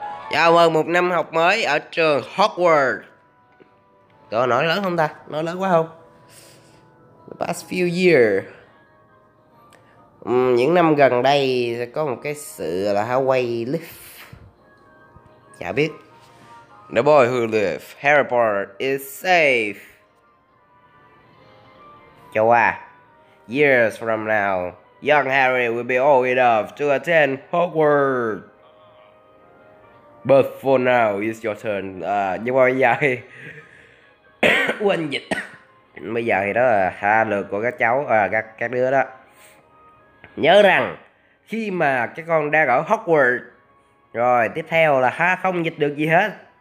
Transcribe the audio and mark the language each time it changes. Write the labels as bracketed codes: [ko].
[vi] Chào mừng một năm học mới ở trường Hogwarts. Có nói lớn không ta? Nói lớn quá không? [en] The past few years. [vi] Những năm gần đây sẽ có một cái sự là Hawaii Leaf. Chả biết. [en] The boy who lives, Harry Potter is safe. Châu A. Years from now, young Harry will be old enough to attend Hogwarts. But for now, it's your turn. [vi] Nhưng mà bây giờ thì... quên dịch. Bây giờ thì đó là ha, lượt của các cháu, các đứa đó. Nhớ rằng khi mà cái con đang ở Hogwarts rồi, tiếp theo là ha, không dịch được gì hết.